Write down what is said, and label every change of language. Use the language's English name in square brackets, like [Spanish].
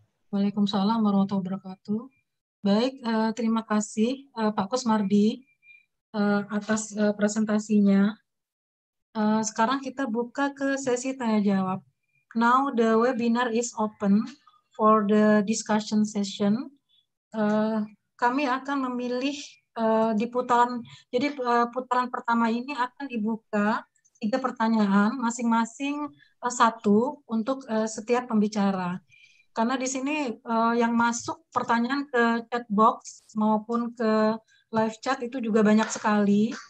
[Indonesian] Waalaikumsalam warahmatullahi wabarakatuh. Baik, terima kasih Pak Kusmardi atas presentasinya. Sekarang kita buka ke sesi tanya-jawab. [English] Now the webinar is open for the discussion session. [Indonesian] Kami akan memilih di putaran, jadi putaran pertama ini akan dibuka 3 pertanyaan, masing-masing 1 untuk setiap pembicara. Karena di sini yang masuk pertanyaan ke chat box maupun ke live chat itu juga banyak sekali.